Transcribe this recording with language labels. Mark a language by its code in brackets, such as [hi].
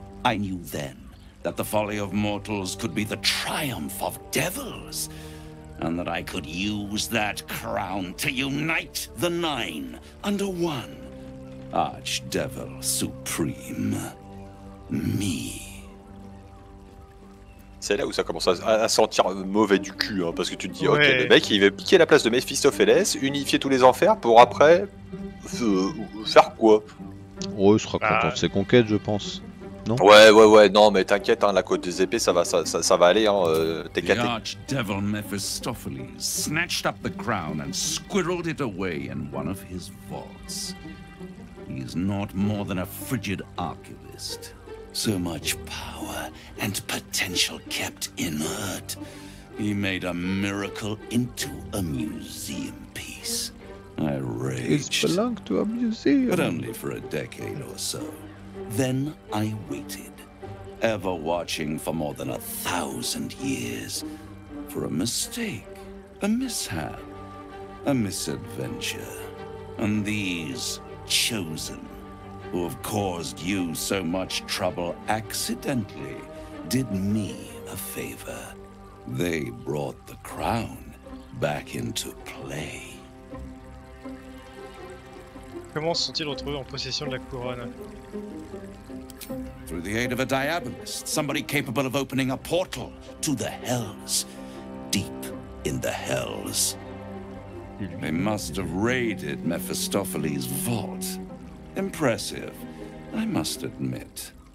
[en] I knew then that the folly of mortals could be the triumph of devils, and that I could use that crown to unite the nine under one archdevil supreme, me. [fr] C'est là où ça commence à sentir mauvais du cul, hein, parce que tu te dis, ouais. Ok, le mec il veut piquer la place de Mephistopheles, unifier tous les enfers pour après faire quoi ? Ouais, il sera content de ses conquêtes, je pense. Non ? Ouais, non, mais t'inquiète, hein, la côte des épées ça va aller, hein, t'inquiète. [en] The archdevil Mephistopheles snatched up the crown and squirreled it away in one of his vaults. He's not more than a frigid archivist. So much power and potential kept inert. He made a miracle into a museum piece. I raged. It belonged to a museum. But only for a decade or so. Then I waited, ever watching for more than 1,000 years, for a mistake, a mishap, a misadventure. And these chosen, who have caused you so much trouble accidentally, did me a favor. They brought the crown back into play. [fr] Comment sont-ils retrouvés en possession de la couronne? [en] Through the aid of a diabolist, somebody capable of opening a portal to the hells, deep in the hells. They must have raided Mephistopheles' vault. Impressive, I must admit.